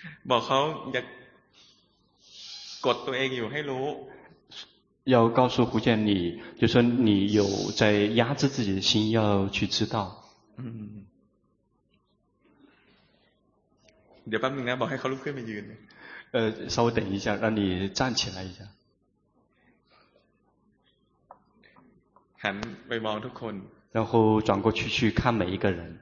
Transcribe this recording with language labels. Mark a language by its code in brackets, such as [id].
[th] บอกเขาอยากกดตัวเองอยู่ให้รู้ [zh] 要告诉胡建你就说你有在压制自己的心要去知道 [th] เดี๋ยวแป๊บนึงนะบอกให้เขาลุกขึ้นมายืน [zh] 稍微等一下让你站起来一下 [th] หันไปมองทุกคน [zh] 然后转过去去看每一个人